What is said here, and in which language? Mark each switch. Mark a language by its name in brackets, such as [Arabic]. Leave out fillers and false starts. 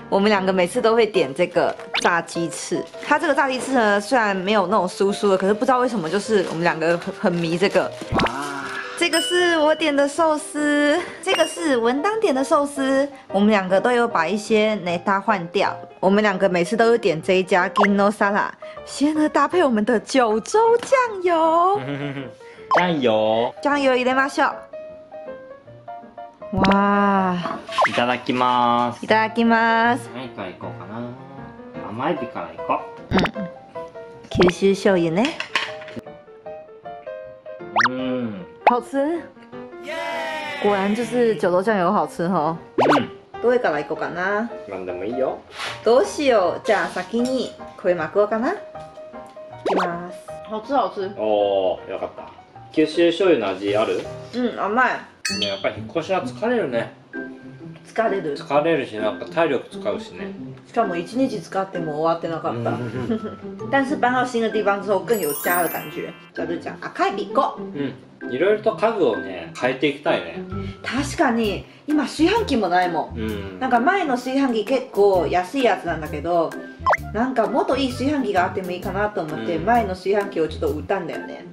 [Chinese] 我们两个每次都会点这个炸鸡翅，它这个炸鸡翅呢，虽然没有那种酥酥的，可是不知道为什么，就是我们两个很迷这个。哇，这个是我点的寿司，这个是文当点的寿司，我们两个都有把一些内搭换掉。我们两个每次都有点这一家 Gino Sala， 先呢搭配我们的九州酱油，酱油， [Japanese] 酱油入れましょう。哇！いただきます。いただきます。何から行こうかな。甘エビから行こう。うん。九州醤油ね。うん。 [Chinese] 好吃。果然就是九州酱油好吃齁。嗯， [Japanese] どれから行こうかな。何でもいいよ。どうしよう。じゃあ先にこれ巻こうかな。いきます。 [Chinese] 好吃好吃。 [Japanese] おー、よかった。九州醤油の味ある？うん、甘い。やっぱり引っ越しは疲れるね。疲れる、疲れるし、なんか体力使うしね。しかも1日使っても終わってなかった。 [Chinese] 但是搬到新的地方之后更有家的感觉。 [Japanese] じゃあルーちゃん、赤いビッコ。うん、いろいろと家具をね、変えていきたいね。確かに、今炊飯器もないもん。うん、なんか前の炊飯器結構安いやつなんだけど、なんかもっといい炊飯器があってもいいかなと思って、うん、前の炊飯器をちょっと売ったんだよね。